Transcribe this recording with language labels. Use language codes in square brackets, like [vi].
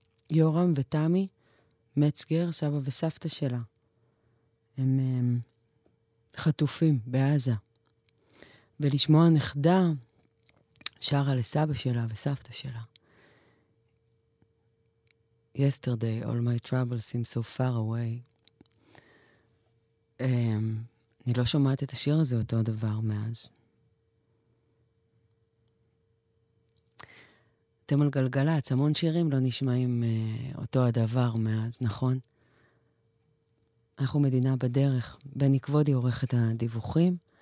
[he] יורם ותמי, מצגר, סבא וסבתא שלה, הם חטופים בעזה. ולשמוע נכדה שרה לסבא שלה וסבתא שלה. [en] Yesterday, all my troubles seem so far away. [he] אני לא שומעת את השיר הזה אותו דבר מאז. אתם על גלגלץ, המון שירים לא נשמעים אותו הדבר מאז, נכון? אנחנו מדינה בדרך. בני כבודי עורך את הדיווחים.